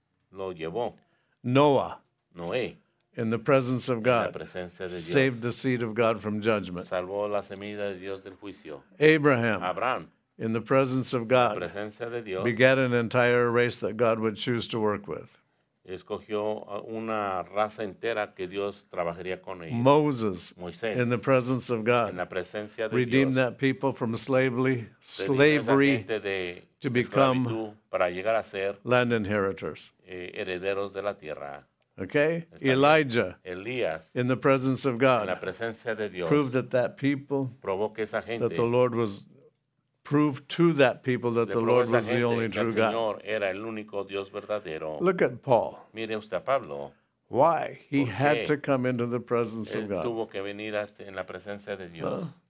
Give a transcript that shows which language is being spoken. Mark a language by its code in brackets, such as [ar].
[es] Lo llevó. [en] Noah, [es] Noé, [en] in the presence of God, saved the seed of God from judgment. [es] Salvó la semilla de Dios del juicio. [en] Abraham, in the presence of God, [es] la presencia de Dios, [en] begat an entire race that God would choose to work with. [es] Escogió una raza entera que Dios trabajaría con ellos. [en] Moses, [es] Moisés, [en] in the presence of God, [es] en la presencia de [en] redeemed [es] Dios, [en] that people from slavery to become [es] para llegar a ser [en] land inheritors. [es] Herederos de la tierra. [en] Okay? Elijah, [es] Elías, [en] in the presence of God, [es] en la presencia de Dios, [en] proved that people, [es] probó que esa gente, [en] that the Lord was, proved to that people that the Lord was the only true God. [es] Era el único Dios verdadero. [en] Look at Paul. [es] Mire usted a Pablo. [en] Why? He had to come into the presence of God. [es] Tuvo que venir en la presencia de Dios.